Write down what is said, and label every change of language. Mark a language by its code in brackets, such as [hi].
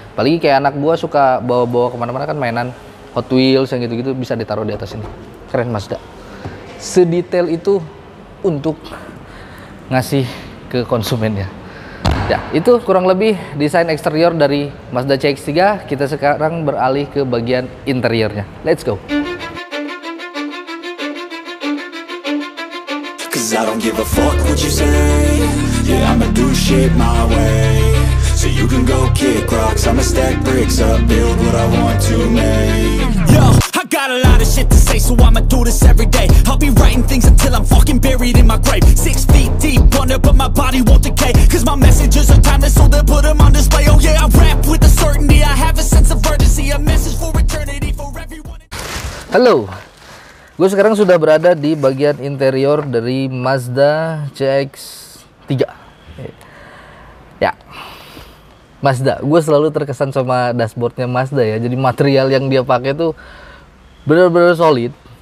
[id] Apalagi kayak anak gue suka bawa-bawa kemana-mana kan mainan Hot Wheels yang gitu-gitu, bisa ditaruh di atas ini. Keren Mazda. Sedetail itu untuk ngasih ke konsumennya. Ya, itu kurang lebih desain eksterior dari Mazda CX-3. Kita sekarang beralih ke bagian interiornya. [en] Let's go. I don't give a fuck what you say. Yeah, I'ma do shit my way. So you can go kick rocks, I'ma stack bricks up, build what I want to make. Yo, I got a lot of shit to say, so I'ma do this every day. I'll be writing things until I'm fucking buried in my grave. 6 feet deep under, but my body won't decay, 'cause my messages are timeless, so they'll put them on display. Oh yeah, I rap with a certainty, I have a sense of urgency, a message for eternity for everyone. Hello. [id] Gue sekarang sudah berada di bagian interior dari Mazda CX-3. Ya, Mazda. Gue selalu terkesan sama dashboardnya Mazda ya. Jadi material yang dia pakai tuh benar-benar solid.